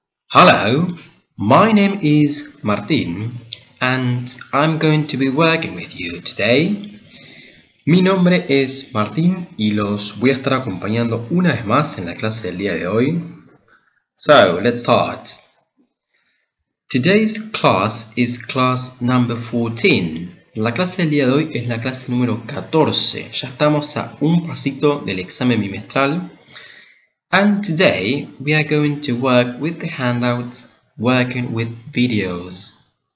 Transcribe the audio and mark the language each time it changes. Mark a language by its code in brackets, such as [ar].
[en] Hello, my name is Martin, and I'm going to be working with you today. [es] Mi nombre es Martin, y los voy a estar acompañando una vez más en la clase del día de hoy. [en] So, let's start. Today's class is class number 14. [es] La clase del día de hoy es la clase número 14. Ya estamos a un pasito del examen bimestral. [en] And today, we are going to work with the handout Working with Videos.